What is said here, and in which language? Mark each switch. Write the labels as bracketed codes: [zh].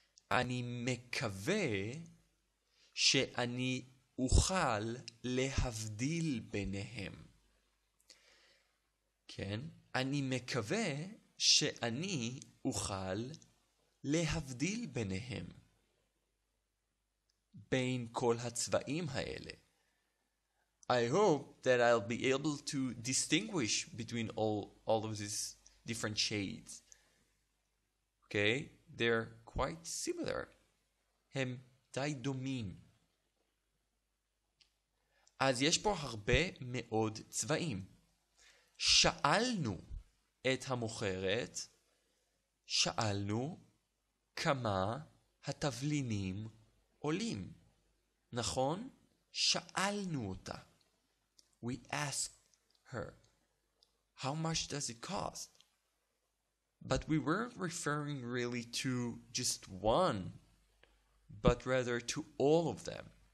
[he] אני מקווה שאני אוכל להבדיל ביניהם. כן? אני מקווה שאני אוכל להבדיל ביניהם. בין כל הצבעים האלה. [en] I hope that I'll be able to distinguish between all of these different shades. Okay? They're quite similar. [he] הם די דומים. אז יש פה הרבה מאוד צבעים. שאלנו את המוכרת, שאלנו כמה התבלינים עולים. נכון? שאלנו אותה. [en] We asked her, how much does it cost? But we weren't referring really to just one, but rather to all of them.